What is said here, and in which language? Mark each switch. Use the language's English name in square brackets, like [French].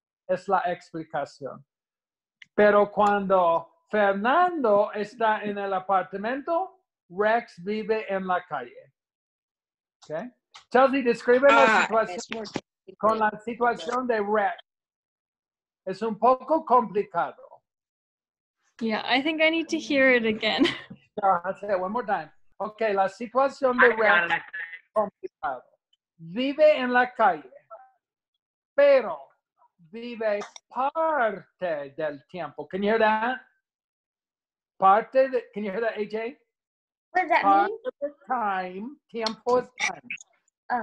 [Spanish] Es la explicación. Pero cuando Fernando está en el apartamento, Rex vive en la calle. Okay. Chelsea, describe la situación con la situación de Rex. Es un poco complicado. [English] Yeah, I think I need to hear it again. No, I'll say it one more time. Okay, [Spanish] la situación de Rex es complicado. Vive en la calle, pero vive parte del tiempo. [English] Can you hear that? Can you hear that, AJ? What does that mean? Part of the time, [Spanish] tiempo es [English] time.